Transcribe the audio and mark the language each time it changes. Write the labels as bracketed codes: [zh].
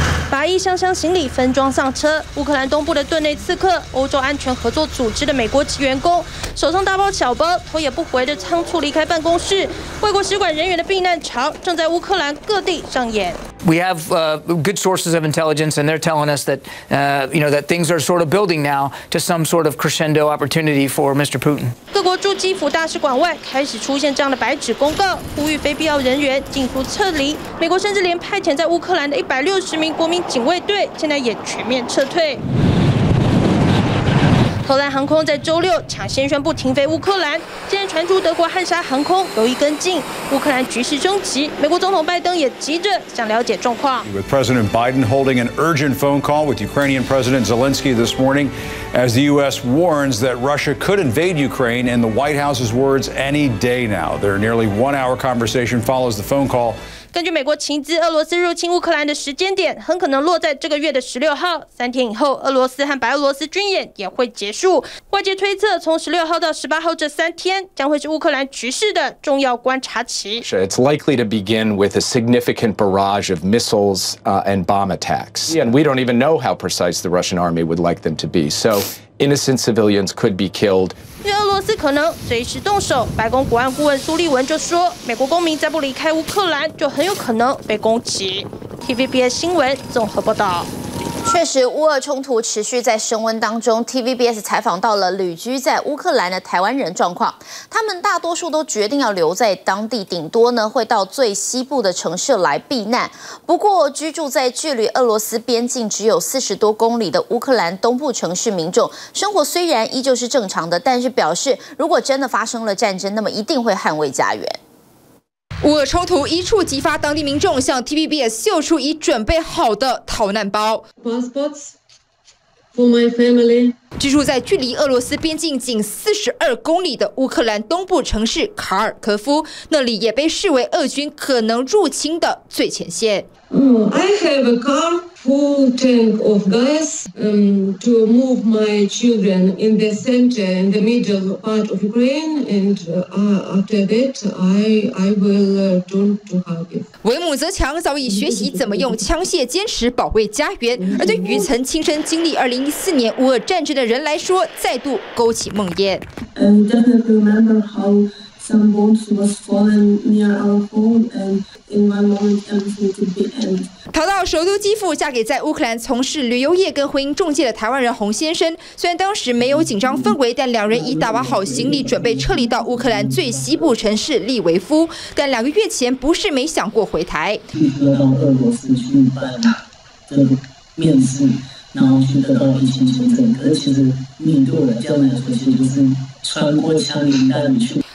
[zh] 拿一箱箱行李分装上车，乌克兰东部的顿内茨克，欧洲安全合作组织的美国籍员工手上大包小包，头也不回的仓促离开办公室。外国使馆人员的避难潮正在乌克兰各地上演。 [en] We have good sources of intelligence, and they're telling us that, you know, that things are sort of building now to some sort of crescendo opportunity for Mr. Putin. [zh] 各国驻基辅大使馆外开始出现这样的白纸公告，呼吁非必要人员尽速撤离。美国甚至连派遣在乌克兰的160名国民警卫队现在也全面撤退。荷兰航空在周六抢先宣布停飞乌克兰，今天传出德国汉莎航空有意跟进。乌克兰局势升级，美国总统拜登也急着想了解状况。 [en] With President Biden holding an urgent phone call with Ukrainian President Zelensky this morning, as the U.S. warns that Russia could invade Ukraine, in the White House's words, any day now. Their nearly one-hour conversation follows the phone call. [zh] 根据美国情资，俄罗斯入侵乌克兰的时间点很可能落在这个月的16号，三天以后，俄罗斯和白俄罗斯军演也会结束。外界推测，从16号到18号这三天将会是乌克兰局势的重要观察期。 [en] It's likely to begin with a significant barrage of missiles and bomb attacks, and we don't even know how precise the Russian army would like them to be. So innocent civilians could be killed. [zh] 俄罗斯可能随时动手，白宫国安顾问苏利文就说，美国公民再不离开乌克兰，就很有可能被攻击。 TVBS 新闻综合报道。确实，乌俄冲突持续在升温当中。 TVBS 采访到了旅居在乌克兰的台湾人状况，他们大多数都决定要留在当地，顶多呢会到最西部的城市来避难。不过居住在距离俄罗斯边境只有40多公里的乌克兰东部城市，民众生活虽然依旧是正常的，但是表示如果真的发生了战争，那么一定会捍卫家园。乌俄冲突一触即发，当地民众向 TVBS 秀出已准备好的逃难包。 [en] Passports for my family。 [zh] 居住在距离俄罗斯边境仅42公里的乌克兰东部城市卡尔科夫，那里也被视为俄军可能入侵的最前线。 [en] I have a car full tank of gas to move my children in the center, in the middle part of Ukraine, and after that I will turn to Kharkiv. [zh] 维姆则强早已学习怎么用枪械坚持保卫家园，而对于曾亲身经历2014年乌俄战争的人来说，再度勾起梦魇。 [en] Definitely remember how. Some bombs was fallen near our home, and in one moment everything could be end. [zh] 逃到首都基辅，嫁给在乌克兰从事旅游业跟婚姻中介的台湾人洪先生，虽然当时没有紧张氛围，但两人已打包好行李准备撤离到乌克兰最西部城市利维夫，但两个月前不是没想过回台，去得到俄罗斯军办的面试，然后去得到疫情签证，可是其实面对我的家人来说，其实就是穿过枪林弹雨去。